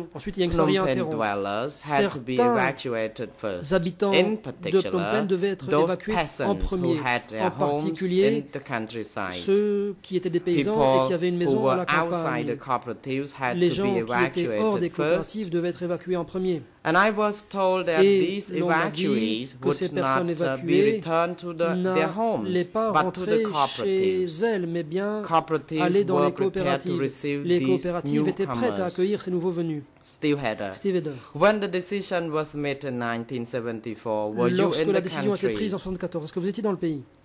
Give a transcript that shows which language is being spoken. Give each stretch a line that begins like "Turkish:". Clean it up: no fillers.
French: Ensuite, Yingsari interrompt. Certains habitants de Phnom Penh devaient être évacués en premier, en partie particulier ceux qui étaient des paysans et qui avaient une maison à la campagne. Les gens qui étaient hors des coopératives devaient être évacués en premier.
English: And I was told that these evacuees would not be returned to their homes, but to the cooperatives.
French: Elles, mais bien aller dans les coopératives. Les coopératives étaient prêtes à accueillir ces nouveaux venus.
English: Steve Hedder. Steve Hedder. When the decision was made in 1974, were
French: lorsque
English: you in the country?
French: La décision a été prise en 74, est-ce que vous étiez dans le pays?